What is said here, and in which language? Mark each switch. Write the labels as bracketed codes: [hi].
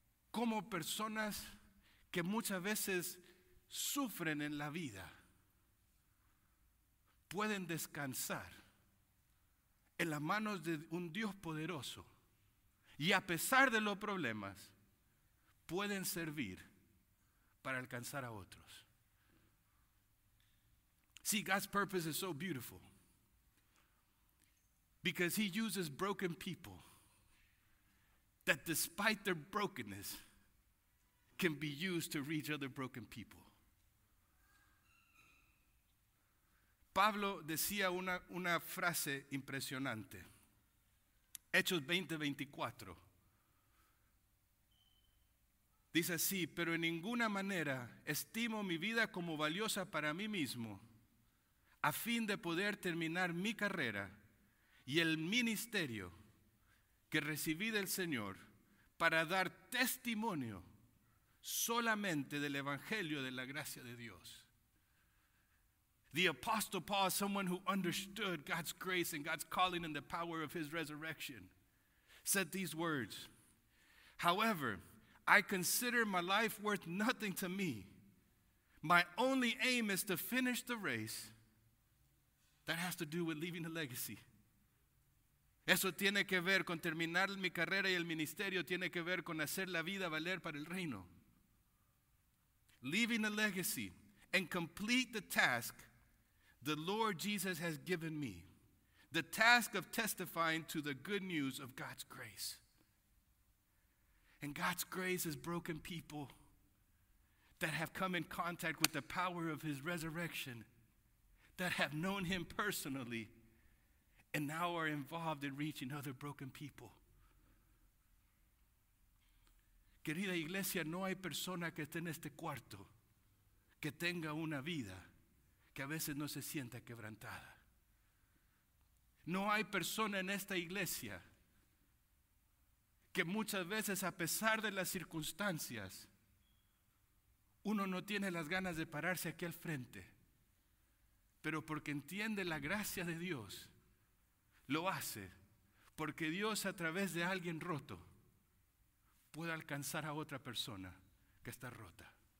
[es] Como personas que muchas veces sufren en la vida, pueden descansar en las manos de un Dios poderoso, y a pesar de los problemas, pueden servir para alcanzar a otros. [en] See, God's purpose is so beautiful because he uses broken people that despite their brokenness can be used to reach other broken people. [es] Pablo decía una frase impresionante. Hechos 20:24. Dice así, pero en ninguna manera estimo mi vida como valiosa para mí mismo, a fin de poder terminar mi carrera y el ministerio que recibí del Señor para dar testimonio solamente del evangelio de la gracia de Dios. [en] The apostle Paul, someone who understood God's grace and God's calling and the power of his resurrection, said these words, however, I consider my life worth nothing to me. My only aim is to finish the race. That has to do with leaving a legacy. [es] Eso tiene que ver con terminar mi carrera y el ministerio tiene que ver con hacer la vida valer para el reino. [en] Leaving a legacy and complete the task the Lord Jesus has given me, the task of testifying to the good news of God's grace. And God's grace is broken people that have come in contact with the power of his resurrection, that have known him personally, and now are involved in reaching other broken people. [es] Querida iglesia, no hay persona que esté en este cuarto que tenga una vida que a veces no se sienta quebrantada. No hay persona en esta iglesia que muchas veces, a pesar de las circunstancias, uno no tiene las ganas de pararse aquí al frente, pero porque entiende la gracia de Dios, lo hace, porque Dios a través de alguien roto puede alcanzar a otra persona que está rota.